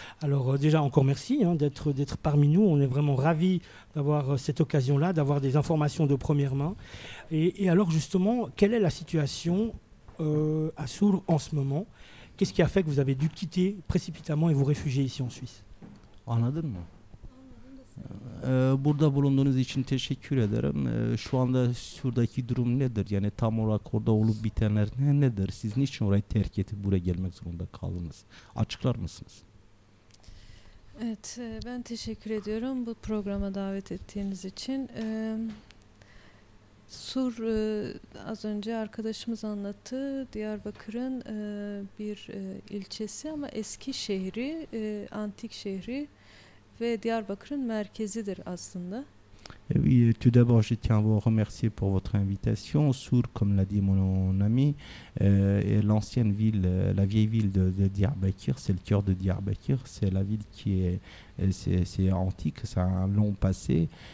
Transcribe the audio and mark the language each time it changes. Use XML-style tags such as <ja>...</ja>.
<fr>Alors déjà, encore merci d'être parmi nous. On est vraiment ravis d'avoir cette occasion-là, d'avoir des informations de première main. Et alors justement, quelle est la situation à Sur en ce moment? Qu'est-ce qui a fait que vous avez dû quitter précipitamment et vous réfugier ici en Suisse? En Allemagne.</fr> <tr>Burada bulunduğunuz için teşekkür ederim. Şu anda Sur'daki durum nedir? Yani tam olarak orada olup bitenler nedir? Siz niçin orayı terk edip buraya gelmek zorunda kaldınız? Açıklar mısınız? Evet, ben teşekkür ediyorum bu programa davet ettiğiniz için. Sur, az önce arkadaşımız anlattı, Diyarbakır'ın bir ilçesi ama eski şehri, antik şehri. Ve Diyarbakır'ın merkezidir aslında.</tr> <fr>Et oui, tout d'abord, je tiens à vous remercier pour votre invitation. Sur, comme l'a dit mon ami, est l'ancienne ville, la vieille ville de Diyarbakır. C'est le cœur de Diyarbakır. C'est la ville qui est c'est antique, ça a un long passé.</fr>